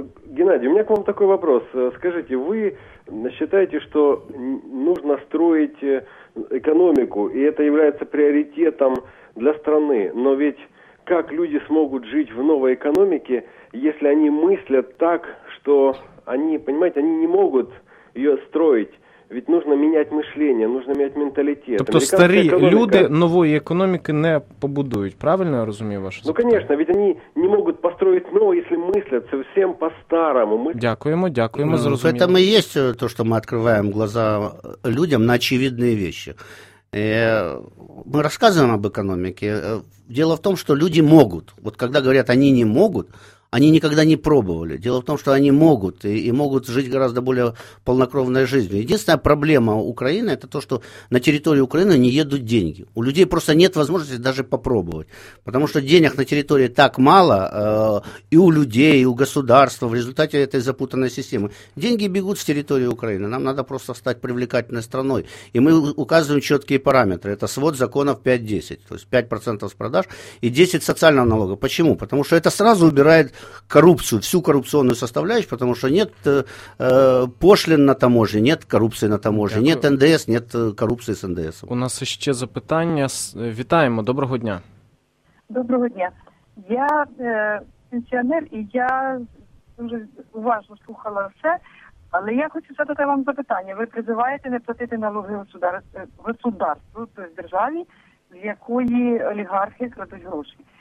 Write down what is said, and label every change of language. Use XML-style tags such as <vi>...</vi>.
<ru>Геннадий, у меня к вам такой вопрос. Скажите, вы считаете, что нужно строить экономику, и это является приоритетом для страны, но ведь как люди смогут жить в новой экономике, если они мыслят так, что они, понимаете, они не могут ее строить? Ведь нужно менять мышление, нужно менять менталитет.</ru> <uk>Тобто старі економіка... люди нової економіки не побудують. Правильно я розумію ваше запитання?</uk> <ru>Ну, конечно, ведь они не могут построить новое, если мыслят совсем по-старому. Мы...</ru> <uk>Дякуємо, дякуємо, зрозуміло.</uk> <ru>Это мы и есть то, что мы открываем глаза людям на очевидные вещи. И мы рассказываем об экономике. Дело в том, что люди могут. Вот когда говорят, они не могут... Они никогда не пробовали. Дело в том, что они могут, и могут жить гораздо более полнокровной жизнью. Единственная проблема Украины – это то, что на территории Украины не едут деньги. У людей просто нет возможности даже попробовать. Потому что денег на территории так мало, и у людей, и у государства в результате этой запутанной системы. Деньги бегут с территории Украины. Нам надо просто стать привлекательной страной. И мы указываем четкие параметры. Это свод законов 5-10. То есть 5% с продаж и 10% социального налога. Почему? Потому что это сразу убирает коррупцию, всю коррупционную составляющую, потому что нет пошлин на таможні, нет коррупции на таможні, нет НДС, нет коррупции с НДС.</ru> <uk>У нас ще запитання. Вітаємо, доброго дня. Доброго дня. Я пенсіонер, і я дуже уважно слухала все, але я хочу задати вам запитання. Ви призиваєте не платити</uk> <ru>налоги государству, то есть</ru> <uk>державі, в якої олігархи крадуть гроші.</uk>